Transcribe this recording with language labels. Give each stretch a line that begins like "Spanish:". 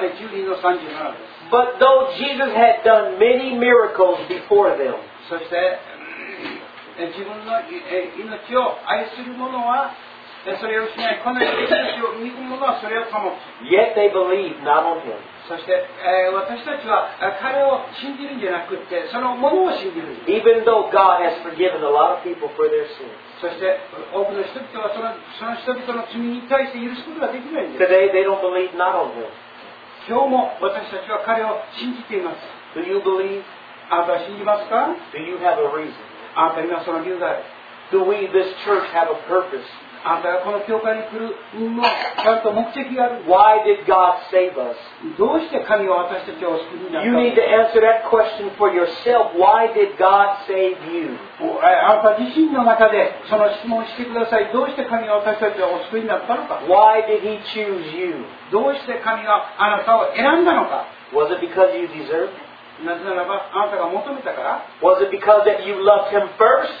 English: But though Jesus had done many miracles before them,
Japanese: そして自分の命を愛する者はそれを失い、この命を憎む者はそれを保つ。
English: Yet they believe not on him.
Japanese: そして、私たちは彼を信じるんじゃなくて、そのものを信じる。
English: Even though God has forgiven a lot of people for their sins.
Japanese: そして、多くの人々はその人々の罪に対して許すことができないんです。
English: Today they don't believe not on him.
Japanese: 今日も私たちは彼を信じています。
English: Do you believe?
Japanese: あなたは信じますか?
English: Do you have a reason?
Japanese: あなたにはその理由がある。
English: Do we, this church, have a purpose?
Japanese: あなたがこの教会に来るのちゃんと目的がある。
English: Why did God save us?
Japanese: どうして神は私たちを救ったのか。
English: You need to answer that question for yourself. Why did God save you?
Japanese: あなた自身の中でその質問をしてください。どうして神は私たちを救ったのか。
English: Why did He choose you?
Japanese: どうして神はあなたを選んだのか。
English: Was it because you deserved? Was it because that you loved him first?